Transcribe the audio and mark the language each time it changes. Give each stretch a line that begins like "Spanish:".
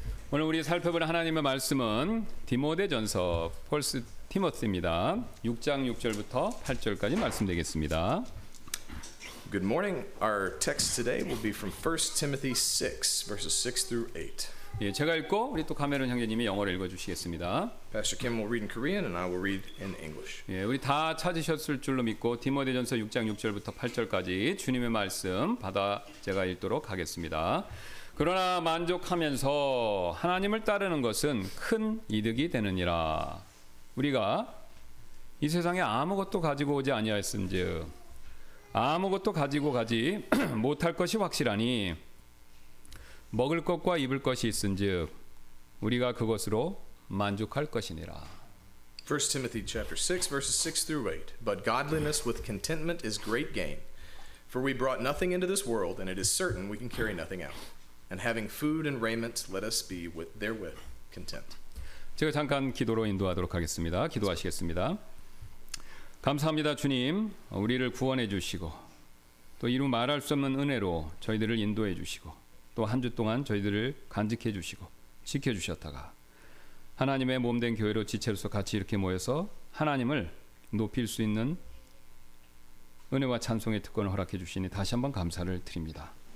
Korean: 오늘 우리 살펴볼 하나님의 말씀은 디모데전서 폴스 티모스입니다. 6장 6절부터 8절까지 말씀드리겠습니다.
English: Good morning. Our text today will be from 1 Timothy 6, verses 6 through 8.
Korean: 예, 제가 읽고 우리 또 카메론 형제님이 영어로 읽어주시겠습니다.
English: Pastor Kim will read in Korean and I will read in English.
Korean: 예, 우리 다 찾으셨을 줄로 믿고 디모데전서 6장 6절부터 8절까지 주님의 말씀 받아 제가 읽도록 하겠습니다. 그러나 만족하면서 하나님을 따르는 것은 큰 이득이 되느니라. 우리가 이 세상에 아무것도 가지고 오지 아니하였은즉 아무것도 가지고 가지 못할 것이 확실하니 먹을 것과 입을 것이 있은즉 우리가 그것으로 만족할 것이니라.
English: 1 Timothy chapter 6 verses 6 through 8. But godliness with contentment is great gain. For we brought nothing into this world, and it is certain we can carry nothing out. And having food and raiment, let us be with therewith content.
Korean: 제가 잠깐 기도로 인도하도록 하겠습니다. 기도하시겠습니다. 감사합니다, 주님. 우리를 구원해 주시고 또 이루 말할 수 없는 은혜로 저희들을 인도해 주시고 또 한 주 동안 저희들을 간직해 주시고 지켜 주셨다가 하나님의 몸된 교회로 지체로서 같이 이렇게 모여서 하나님을 높일 수 있는 은혜와 찬송의 특권을 허락해 주시니 다시 한번 감사를 드립니다.